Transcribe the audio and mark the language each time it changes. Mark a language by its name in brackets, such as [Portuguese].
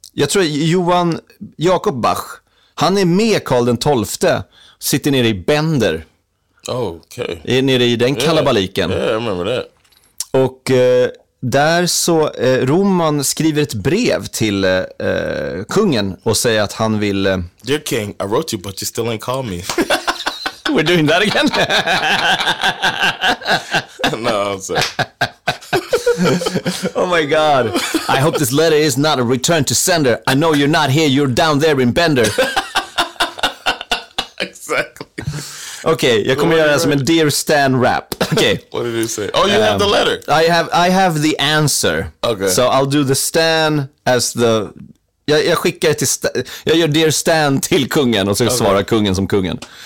[Swedish] Jag tror Johan Jakob Bach, han är med Karl den 12:e, sitter nere i Bender. Oh, okej. [English] Okay. [Swedish] Är nere i den kalabaliken. [English] Yeah, I remember that. [Swedish] Och där så Roman skriver ett brev till kungen och säger att han vill [English] Dear king, I wrote you but you still ain't call me. We're doing that again. No, I'm sorry. Oh my god. I hope this letter is not a return to sender. I know you're not here, you're down there in Bender. Exactly. [Swedish] Okay, jag kommer göra det som en Dear Stan rap. [English] Okay. What did you say? Oh, you have the letter. I have the answer. Okay. So I'll do the Stan as the [Swedish] jag skickar till jag gör Dear Stan till kungen och så svarar kungen som kungen.